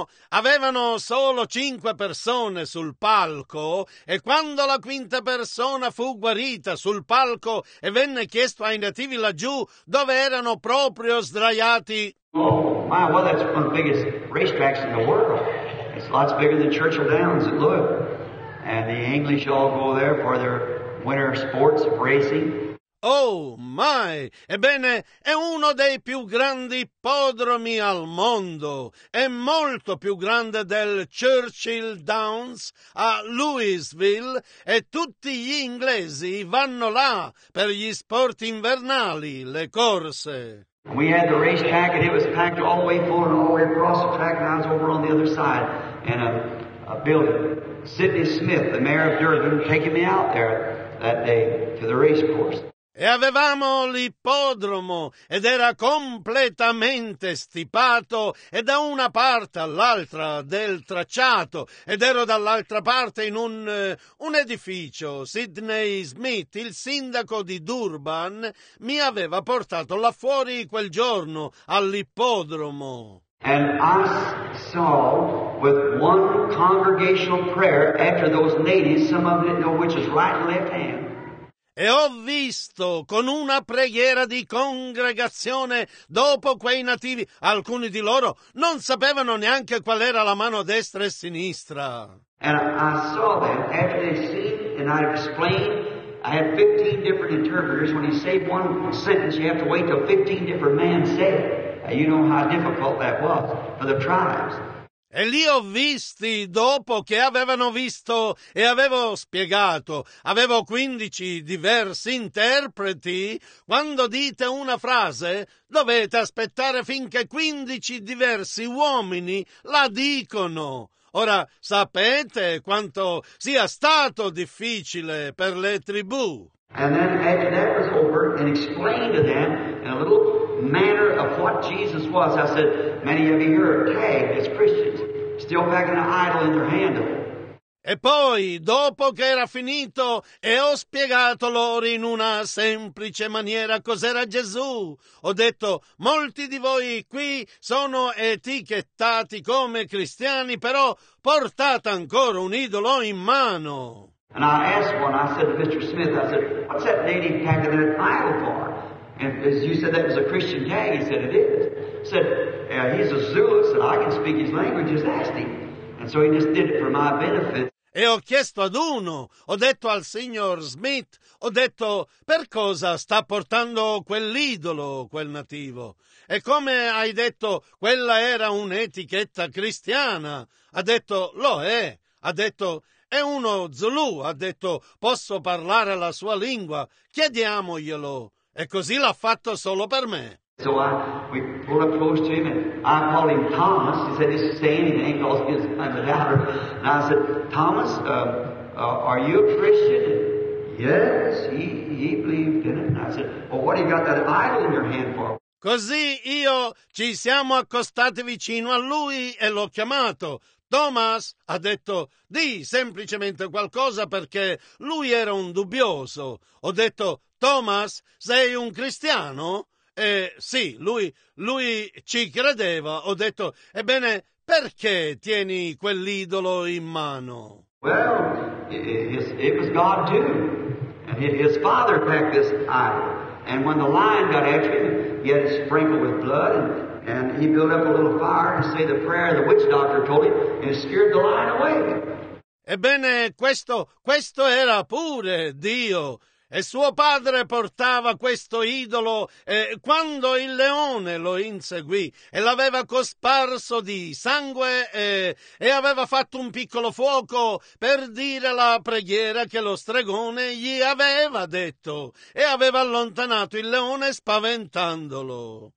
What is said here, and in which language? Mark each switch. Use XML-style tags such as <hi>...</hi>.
<it>Avevano solo 5 persone sul palco e quando la 5ª persona fu guarita sul palco e venne chiesto ai nativi laggiù dove erano proprio sdraiati.</it> <en>Oh, my, well, that's one of the biggest racetracks in the world. It's lots bigger than Churchill Downs at Louisville. And the English all go there for their winter sports racing. Oh my!</en> <it>Ebbene, è uno dei più grandi ippodromi al mondo. È molto più grande del Churchill Downs a Louisville e tutti gli inglesi vanno là per gli sport invernali, le corse.</it> <en>We had the race track and it was packed all the way forward and all the way across the track lines over on the other side in a building. Sidney Smith, the mayor of Durban, taking me out there that day to the race course.</en> <it>E avevamo l'ippodromo ed era completamente stipato e da una parte all'altra del tracciato ed ero dall'altra parte in un edificio. Sidney Smith, il sindaco di Durban, mi aveva portato là fuori quel giorno all'ippodromo.</it> <en>And I saw with one congregational prayer after those natives, some of them didn't know which is right and left hand.</en> <it>e ho visto con una preghiera di congregazione dopo quei nativi, alcuni di loro non sapevano neanche qual era la mano destra e sinistra.</it> <en>And I saw them after they seen and I explained. I had 15 different interpreters. When you say one sentence, you have to wait till 15 different men say it. You know how difficult that was for the tribes.</en> <it>E li ho visti dopo che avevano visto e avevo spiegato. Avevo 15 diversi interpreti. Quando dite una frase, dovete aspettare finché 15 diversi uomini la dicono. Ora sapete quanto sia stato difficile per le tribù.</it> <en>And then after that was over and explained to them in a little manner of what Jesus was, I said, many of you here are tagged as Christians, still having an idol in their hand.</en> <it>E poi, dopo che era finito, e ho spiegato loro in una semplice maniera cos'era Gesù, ho detto, molti di voi qui sono etichettati come cristiani, però portate ancora un idolo in mano.</it> <en>And I asked one, I said to Mr. Smith, I said, what's that native tag of that idol for? And you said that was a Christian tag, he said, it is. I said, he's a Zulu, and I can speak his language, just ask him. And so he just did it for my benefit.</en> <it>E ho chiesto ad uno, ho detto al signor Smith, ho detto, per cosa sta portando quell'idolo, quel nativo? E come hai detto, quella era un'etichetta cristiana? Ha detto, lo è. Ha detto, è uno Zulu. Ha detto, posso parlare la sua lingua? Chiediamoglielo. E così l'ha fatto solo per me.</it> <en>So we pulled up close to him and I called him Thomas. He said, just say anything because he's kind of a doubter. And I said, Thomas, are you a Christian? Yes, he believed in it. And I said, well, what do you got that idol in your hand for?</en> <it>Così io ci siamo accostati vicino a lui e l'ho chiamato. Thomas ha detto, di semplicemente qualcosa perché lui era un dubbioso. Ho detto, Thomas, sei un cristiano? Sì, lui ci credeva. Ho detto, ebbene, perché tieni quell'idolo in mano?</it> <en>Well, it was God too. And his father packed this idol. And when the lion got after him, he had it sprinkled with blood. And he built up a little fire to say the prayer the witch doctor told him. And it scared the lion away.</en> <it>Ebbene, questo era pure Dio. E suo padre portava questo idolo quando il leone lo inseguì e l'aveva cosparso di sangue e aveva fatto un piccolo fuoco per dire la preghiera che lo stregone gli aveva detto e aveva allontanato il leone spaventandolo.</it>